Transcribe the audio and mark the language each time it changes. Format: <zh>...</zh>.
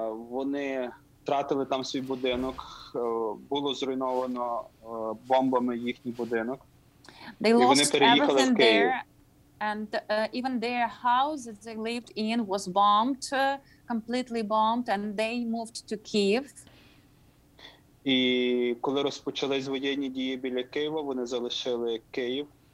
<uk>Вони втратили там свій будинок, було зруйновано бомбами їхній будинок.</uk> <en>They lost everything there, and even their house that they lived in was bombed, completely bombed, and they moved to Kyiv.</en> <uk>І коли розпочались воєнні дії біля Києва, вони залишили Київ.</uk>